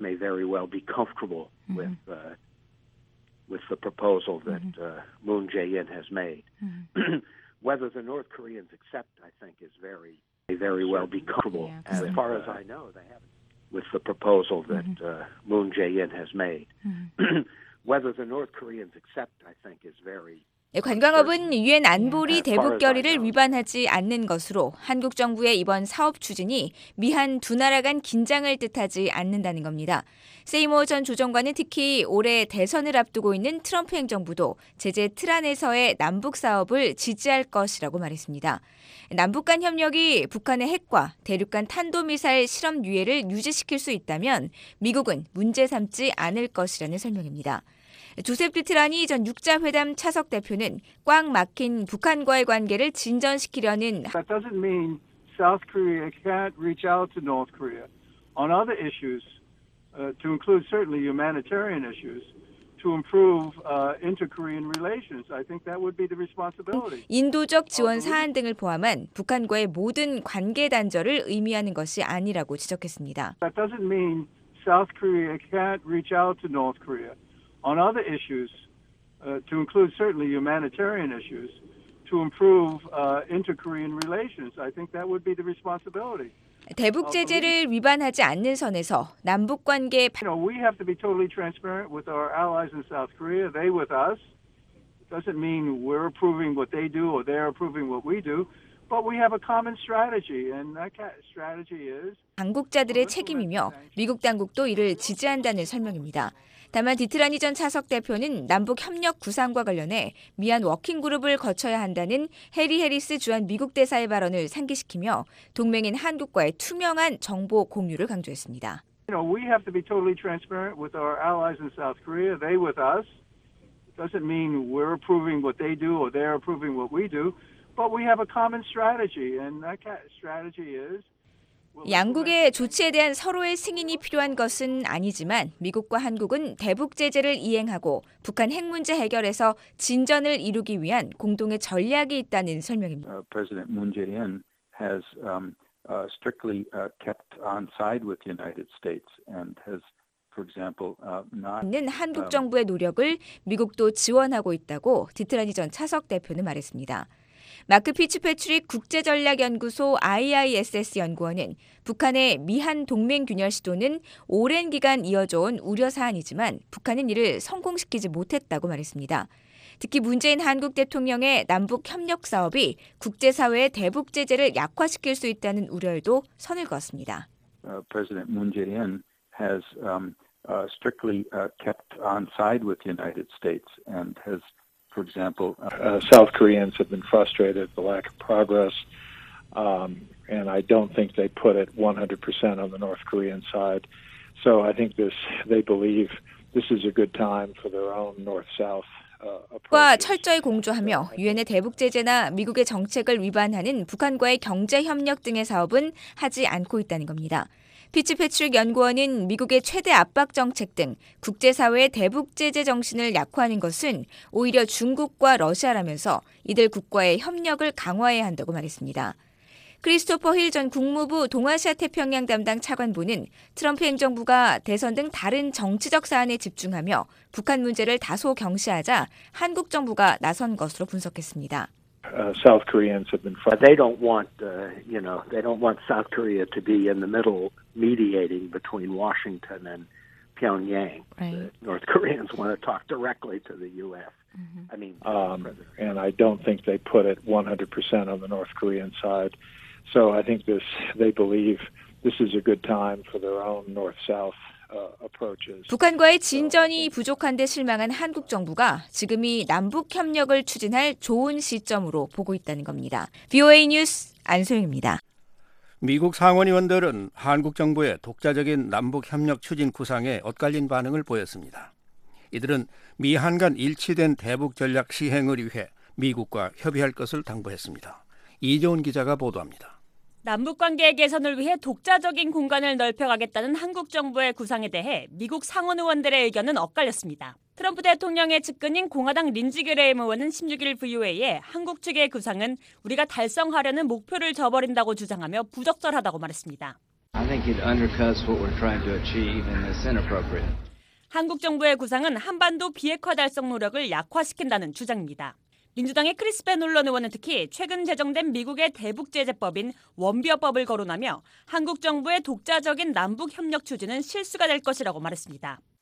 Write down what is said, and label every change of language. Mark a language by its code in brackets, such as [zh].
[en] may very well be comfortable with the proposal that Moon Jae-in has made. Whether the North Koreans accept, I think, is very, may very well be comfortable. As far as I know, they haven't. With the proposal that Moon Jae-in has made, whether the North Koreans accept, I think, is very. [ko] 관광업은 유엔 안보리 대북 결의를 위반하지 않는 것으로 한국 정부의 이번 사업 추진이 미한 두 나라 간 긴장을 뜻하지 않는다는 겁니다. 세이머 전 조정관은 특히 올해 대선을 앞두고 있는 트럼프 행정부도 제재 틀 안에서의 남북 사업을 지지할 것이라고 말했습니다. 남북 간 협력이 북한의 핵과 대륙 간 탄도미사일 실험 유예를 유지시킬 수 있다면 미국은 문제 삼지 않을 것이라는 설명입니다. 조셉 비트라니 전 6자회담 차석 대표는 꽉 막힌 북한과의 관계를 진전시키려는 [en] That doesn't mean South Korea can't reach out to North Korea on other issues, to include certainly humanitarian issues. To improve inter-Korean relations, I think that would be the responsibility. [ko] 인도적 지원 사안 등을 포함한 북한과의 모든 관계 단절을 의미하는 것이 아니라고 지적했습니다. [en] That doesn't mean South Korea can't reach out to North Korea. On other issues, to include certainly humanitarian issues, to improve inter-Korean relations, I think that would be the responsibility. [ko] 대북 제재를 위반하지 않는 선에서 남북 관계. [en] You know, we have to be totally transparent with our allies in South Korea. They with us. It doesn't mean we're approving what they do or they're approving what we do. But we have a common strategy, and that strategy is. [ko] 당국자들의 책임이며 미국 당국도 이를 지지한다는 설명입니다. 다만 디트라니 전 차석 대표는 남북 협력 구상과 관련해 미한 워킹 그룹을 거쳐야 한다는 해리 해리스 주한 미국 대사의 발언을 상기시키며 동맹인 한국과의 투명한 정보 공유를 강조했습니다. [en] You know, we have to be totally transparent with our allies in South Korea. They with us. It doesn't mean we're approving what they do or they're approving what we do. But we have a common strategy, and that strategy is. [ko] 양국의 조치에 대한 서로의 승인이 필요한 것은 아니지만 미국과 한국은 대북 제재를 이행하고 북한 핵 문제 해결에서 진전을 이루기 위한 공동의 전략이 있다는 설명입니다. [en] President Moon Jae-in has strictly kept on side with the United States and has, for example, not [ko] 한국 정부의 노력을 미국도 지원하고 있다고 디트라니 전 차석 대표는 말했습니다. 마크 피츠패트릭 국제전략연구소 IISS 연구원은 북한의 미한 동맹균열 시도는 오랜 기간 이어져온 우려사안이지만 북한은 이를 성공시키지 못했다고 말했습니다. 특히 문재인 한국 대통령의 남북협력사업이 국제사회의 대북 제재를 약화시킬 수 있다는 우려에도 선을 그었습니다. [en] President Moon Jae-in has strictly kept on side with the United States and has For example, South Koreans have been frustrated at the lack of progress, and I don't think they put it 100% on the North Korean side. So I think they believe this is a good time for their own North-South approach. [ko] 과 철저히 공조하며 유엔의 대북 제재나 미국의 정책을 위반하는 북한과의 경제 협력 등의 사업은 하지 않고 있다는 겁니다. 피츠패트릭 연구원은 미국의 최대 압박 정책 등 국제사회의 대북 제재 정신을 약화하는 것은 오히려 중국과 러시아라면서 이들 국가의 협력을 강화해야 한다고 말했습니다. 크리스토퍼 힐 전 국무부 동아시아 태평양 담당 차관보는 트럼프 행정부가 대선 등 다른 정치적 사안에 집중하며 북한 문제를 다소 경시하자 한국 정부가 나선 것으로 분석했습니다. [en] South Koreans have been. They don't want, you know, they don't want South Korea to be in the middle, mediating between Washington and Pyongyang. Right. The North Koreans want to talk directly to the U.S. Mm-hmm. I mean, and I don't think they put it 100% on the North Korean side. So I think this, they believe this is a good time for their own North-South. [ko] 북한과의 진전이 부족한데 실망한 한국 정부가 지금이 남북 협력을 추진할 좋은 시점으로 보고 있다는 겁니다. VOA 뉴스 안소영입니다. 미국 상원의원들은 한국 정부의 독자적인 남북 협력 추진 구상에 엇갈린 반응을 보였습니다. 이들은 미한 간 일치된 대북 전략 시행을 위해 미국과 협의할 것을 당부했습니다. 이재훈 기자가 보도합니다. 남북관계 개선을 위해 독자적인 공간을 넓혀가겠다는 한국 정부의 구상에 대해 미국 상원 의원들의 의견은 엇갈렸습니다. 트럼프 대통령의 측근인 공화당 린지 그레임 의원은 16일 VOA에 한국 측의 구상은 우리가 달성하려는 목표를 저버린다고 주장하며 부적절하다고 말했습니다. [en] I think it undercuts what we're trying to achieve and it's inappropriate. [ko] 한국 정부의 구상은 한반도 비핵화 달성 노력을 약화시킨다는 주장입니다. 민주당의 크리스 베놀런 의원은 특히 최근 제정된 미국의 대북제재법인 원비어법을 거론하며 한국 정부의 독자적인 남북 협력 추진은 실수가 될 것이라고 말했습니다.